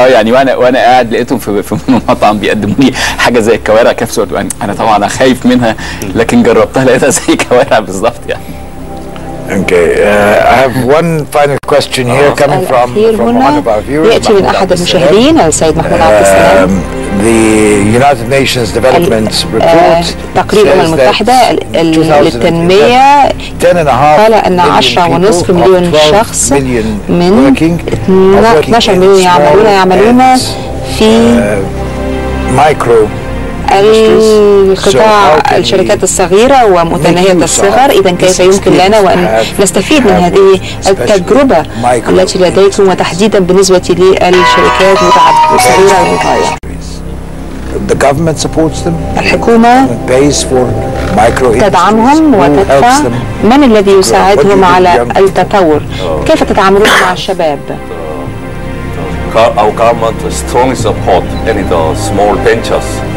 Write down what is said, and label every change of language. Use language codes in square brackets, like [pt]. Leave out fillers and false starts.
[ar] يعني، وانا قاعد لقيتهم في مطعم بيقدموا لي حاجه زي الكوارع كبسه، انا طبعا خايف منها لكن جربتها لقيتها زي كوارع بالظبط يعني. [en] Okay, I have one final question here coming from one of our viewers. [ar] ياتي من احد المشاهدين السيد محمود عبد السلام. [en] The United Nations Development Report [ar] تقرير الأمم المتحدة للتنمية قال أن 10.5 مليون شخص من 12 مليون يعملون في [en] micro [ar] القطاع الشركات الصغيرة ومتناهية الصغر. إذن كيف يمكن لنا وأن نستفيد من هذه التجربة التي لديكم، وتحديدا بالنسبة للشركات الصغيرة والمتناهية؟ [en] The government supports them. [ar] الحكومة [en] pays for micro [ar] تدعمهم وتدفع. من الذي يساعدهم على التطور؟ كيف تتعاملون مع الشباب؟ [en] Our government strongly support any the small ventures.